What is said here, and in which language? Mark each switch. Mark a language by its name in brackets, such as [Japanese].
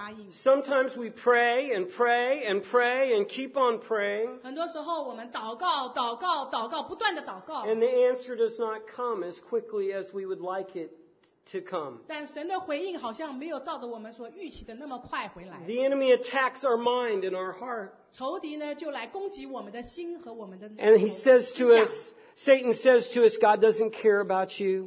[English] Sometimes we pray and pray and pray and keep on praying. [Chinese] 很多时候我们祷告, 祷告, [English] and the answer does not come as quickly as we would like it to come. The enemy attacks our mind and our heart. [Chinese] 仇敌呢, [English] and he says to us, Satan says to us, God doesn't care about you.